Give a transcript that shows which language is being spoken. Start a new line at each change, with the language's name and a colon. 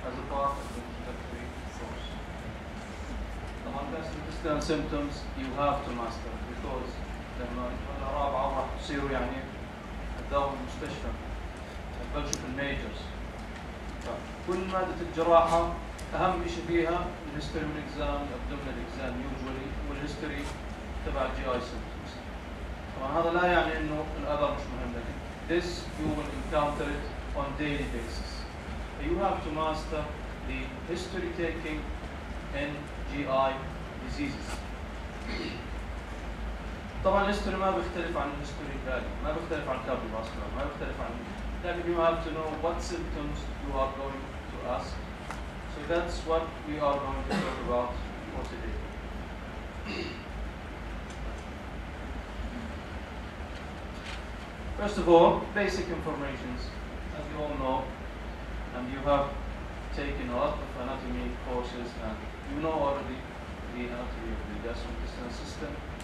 English: cough and then you have to wait for it. The longest resistant symptoms you have to master because
Arabic: لما يكون رابعة راح تصيروا يعني تداوم المستشفى بلشوا في الميجرز. فكل مادة الجراحة أهم شيء فيها الهيستوري من الإكزام الأبدومينال إكزام يوجولي والهيستوري تبع الجي آي سيمتومز. طبعا هذا لا يعني إنه الأذر مش مهم لكن
English: this you will encounter it on daily basis. You have to master the history taking in GI diseases.
Arabic: طبعا الهيستوري ما بيختلف عن الهيستوري الثاني، ما بيختلف عن كابي باسكولار، ما بيختلف عن لكن
English: you have to know what symptoms you are going to ask. So that's what we are going to talk about for today. First of all, basic informations. As you all know, and you have taken a lot of anatomy courses, and you know already the anatomy of the gastrointestinal system.